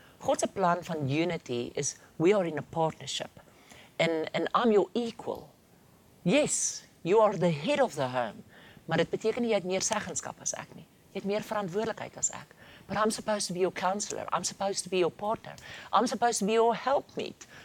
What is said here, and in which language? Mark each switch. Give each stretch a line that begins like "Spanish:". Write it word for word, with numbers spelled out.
Afrikaans: God se plan van
English: unity is we are in a partnership and and I'm your equal. Yes, you are the head of the home.
Afrikaans: Maar dit beteken nie jy het meer seggenskap as ek nie. Jy het meer verantwoordelikheid as ek.
English: But I'm supposed to be your counselor. I'm supposed to be your partner. I'm supposed to be your helpmeet.